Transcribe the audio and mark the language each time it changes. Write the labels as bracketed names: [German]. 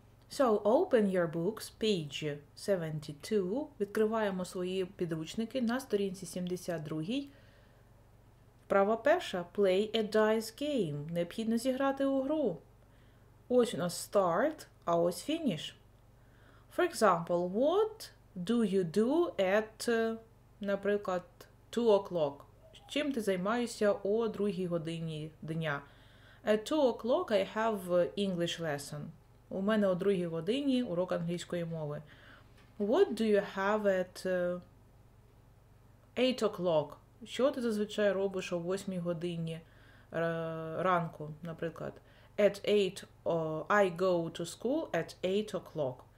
[English] So, open your books, page 72. [Ukrainian] Відкриваємо свої підручники на сторінці 72. Вправа перша. [English] Play a dice game. [Ukrainian] Необхідно зіграти у гру. Ось у нас [English] start, [Ukrainian] а ось [English] finish. For example, what do you do at, [Ukrainian] наприклад, [English] 2 o'clock? [Ukrainian] Чим ти займаєшся о 2 годині дня? [English] At 2 o'clock I have English lesson. [Ukrainian] У мене о 2 годині урок англійської мови. [English] What do you have at 8 o'clock? [Ukrainian] Що ти зазвичай робиш о 8 годині ранку, наприклад? [English] At 8, I go to school at 8 o'clock.